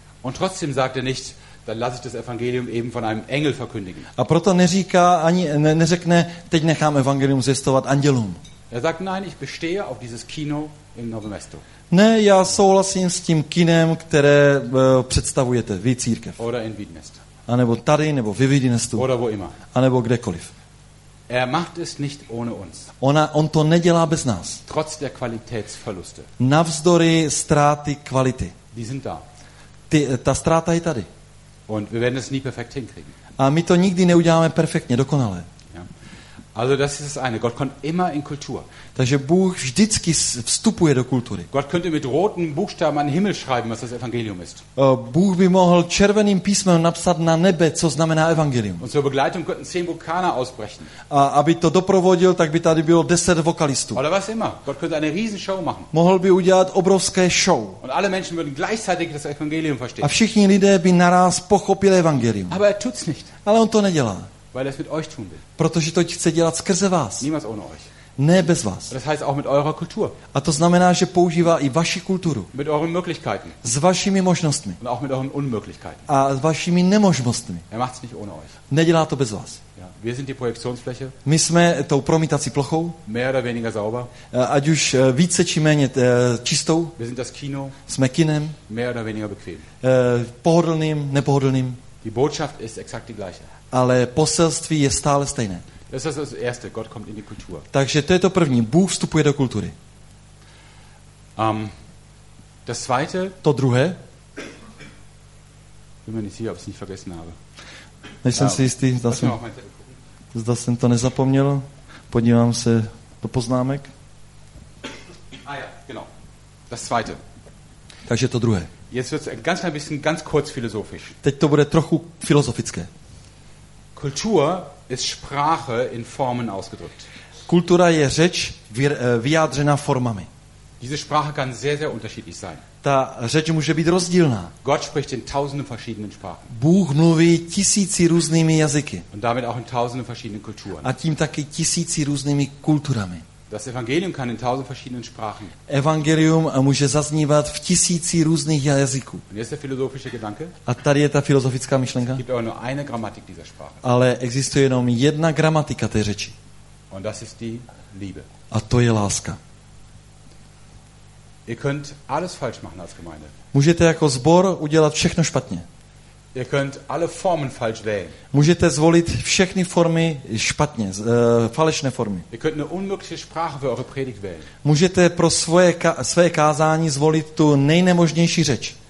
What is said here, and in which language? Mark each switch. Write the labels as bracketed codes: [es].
[de] Und trotzdem sagt er nicht, dann lasse ich das Evangelium eben von einem Engel verkündigen. [cs] A proto neříká ani neřekne, teď nechám evangelium zjistovat andělům. [de] Er sagt nein, ich bestehe auf dieses Kino in Novo Mesto. [cs] Ne, já souhlasím s tím kinem, které představujete vy církev. [de] Oder in Vidnesto. [cs] A nebo tady nebo vy Vidnestu. [de] Oder wo immer. [cs] A nebo kdekoliv. [de] Er macht es nicht ohne uns. [cs] On to nedělá bez nás. [de] Trotz der Qualitätsverluste. [cs] Navzdory ztráty kvality. [de] Die sind da. [cs] Ta ztráta je tady. [de] Und wir werden es nie perfekt hinkriegen. [cs] A my to nikdy neuděláme perfektně, dokonale. [de] Ja. Also das ist das eine. Gott kommt immer in Kultur. [cs] Takže Bůh vždycky vstupuje do kultury. [de] Gott könnte mit roten Buchstaben an den Himmel schreiben, was das Evangelium ist. [cs] Bůh by mohl červeným písmem napsat na nebe, co znamená evangelium. [de] Und zur Begleitung könnten 10 Vulkane ausbrechen. [cs] A aby to doprovodil, tak by tady bylo 10 vokalistů. [de] Oder was immer. Gott könnte eine riesen Show machen. [cs] Mohl by udělat obrovské show. [de] Und alle Menschen würden gleichzeitig das Evangelium verstehen. [cs] A všichni lidé by naraz pochopili evangelium. [de] Aber er tut's nicht. [cs] Ale on to nedělá. [de] Weil er es mit euch tun will. [cs] Protože to chce dělat skrze vás. [de] Niemals ohne euch. [cs] Ne bez vás. [de] Das heißt auch mit eurer Kultur. [cs] A to znamená, že používá i vaši kulturu. [de] Mit euren Möglichkeiten. [cs] S vašimi možnostmi. [de] Und auch mit euren Unmöglichkeiten. [cs] A s vašimi nemožnostmi. [de] Er macht's nicht ohne euch. [cs] Nedělá to bez vás. [de] Ja. Wir sind die Projektionsfläche. [cs] My jsme tou promítací plochou. [de] Mehr oder weniger sauber. [cs] Ať už více či méně čistou. [de] Wir sind das Kino. [cs] Jsme kinem. [de] Mehr oder weniger bequem. [cs] Pohodlným, nepohodlným. [de] Die Botschaft ist exakt die gleiche. [cs] Ale poselství je stále stejné. [de] Das ist das erste, Gott kommt in die Kultur. [cs] Takže to je to první, Bůh vstupuje do kultury. [de] Das zweite, [cs] to druhé. [de] Bin mir nicht sicher, ob ich es nicht vergessen habe. [cs] Nejsem si jistý, zda jsem to nezapomněl. Podívám se do poznámek. [de] Ah ja, genau. Das zweite. [cs] Takže to druhé. [de] Jetzt wird's ganz ein bisschen ganz kurz philosophisch. [cs] Teď to bude trochu filozofické. [de] Kultur ist Sprache in Formen ausgedrückt. [cs] Kultura je řeč vyjádřená formami. [de] Diese Sprache kann sehr sehr unterschiedlich sein. [cs] Ta řeč může být rozdílná. [de] Gott spricht in tausenden verschiedenen Sprachen. [cs] Bůh mluví tisíci různými jazyky. [de] Und damit auch in tausenden verschiedenen Kulturen. [cs] A tím taky tisíci různými kulturami. [de] Das Evangelium kann in tausend verschiedenen Sprachen. [cs] Evangelium může zaznívat v tisíci různých jazyků. [de] Und hier ist der philosophische Gedanke. [cs] A tady je ta filozofická myšlenka. [de] Gibt aber nur eine Grammatik dieser Sprache. [cs] Ale existuje jenom jedna gramatika té řeči. [de] Und das ist die Liebe. [cs] A to je láska. [de] Ihr könnt alles falsch machen als Gemeinde. [cs] Můžete jako sbor udělat všechno špatně. [de] Ihr könnt alle Formen falsch wählen. [cs] Můžete zvolit všechny formy špatně, falešné formy. [de] Ihr könnt eine unmögliche Sprache für eure Predigt wählen. [cs] Můžete pro své kázání zvolit tu nejnemožnější řeč.